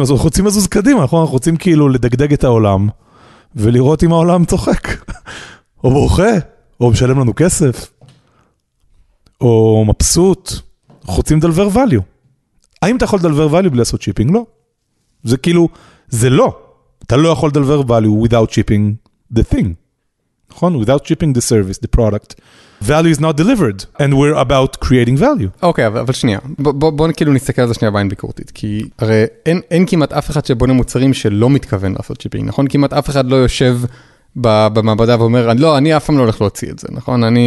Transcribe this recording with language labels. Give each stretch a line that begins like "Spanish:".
Hebrew: אנחנו רוצים לזוז קדימה, אנחנו רוצים כאילו לדגדג את העולם, ולראות אם העולם צוחק, או בוכה, או משלם לנו כסף. או מבסוט, חוצים
English: דלבר וליו.
Hebrew: האם אתה יכול דלבר וליו בלי לעשות שיפינג? לא. זה כאילו, זה לא. אתה לא יכול
English: דלבר וליו without shipping the thing.
Hebrew: נכון?
English: Without shipping the service, the product. Value is not delivered, and we're about creating value.
Hebrew: אוקיי, אבל שנייה. בוא כאילו נסתכל על זה שנייה בעין ביקורתית, כי הרי אין כמעט אף אחד שבונה מוצרים שלא מתכוון לעשות שיפינג, נכון? כמעט אף אחד לא יושב במעבדה ואומר, לא, אני אף פעם לא הולך להוציא את זה, נכון?